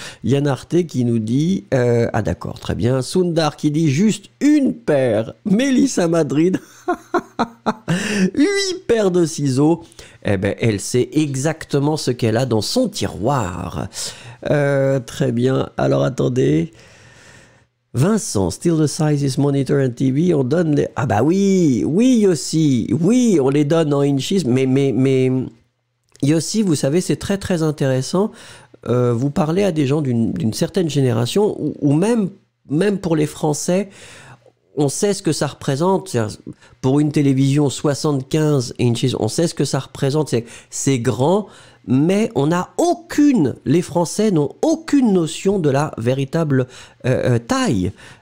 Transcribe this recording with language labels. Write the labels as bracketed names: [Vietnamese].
[French] Yann Arte qui nous dit ah d'accord, très bien. Sundar qui dit juste une paire. Mélissa à Madrid, 8 paires de ciseaux, eh ben, elle sait exactement ce qu'elle a dans son tiroir. Très bien, alors attendez. [English] Vincent, still the size is monitor and TV, [French] on donne les... Ah bah oui, oui Yossi, oui, on les donne en inches, mais Yossi, vous savez, c'est très très intéressant, vous parlez à des gens d'une certaine génération, ou même pour les Français... On sait ce que ça représente, pour une télévision 75 inches, on sait ce que ça représente, c'est grand, mais on n'a aucune, les Français n'ont aucune notion de la véritable taille.